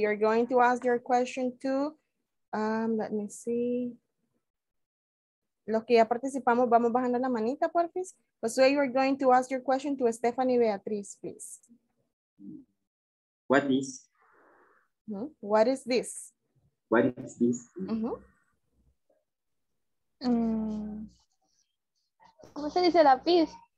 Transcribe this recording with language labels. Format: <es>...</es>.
<en>You're going to ask your question to, let me see.</en> <es>Los que ya participamos, vamos bajando la manita, por favor.</es> <en>Josué, you are going to ask your question to Stephanie Beatriz, please. What is? What is this? What is this?</en> <es>¿Cómo se dice lápiz?</es>